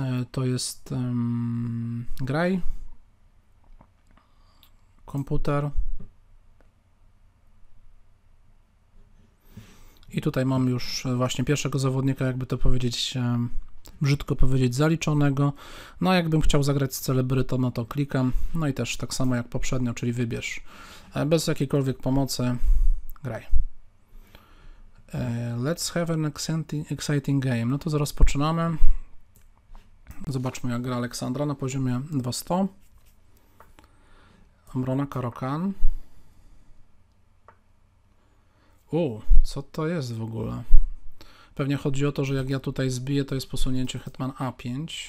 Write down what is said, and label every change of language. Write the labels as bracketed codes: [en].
[pl] To jest graj, komputer i tutaj mam już właśnie pierwszego zawodnika, jakby to powiedzieć, brzydko powiedzieć, zaliczonego. No a jakbym chciał zagrać z celebrytą, no to klikam, no i też tak samo jak poprzednio, czyli wybierz bez jakiejkolwiek pomocy, graj. [en] Let's have an exciting game. [pl] No to rozpoczynamy. Zobaczmy, jak gra Aleksandra na poziomie 200. Obrona Karokan. Co to jest w ogóle? Pewnie chodzi o to, że jak ja tutaj zbiję, to jest posunięcie hetman A5.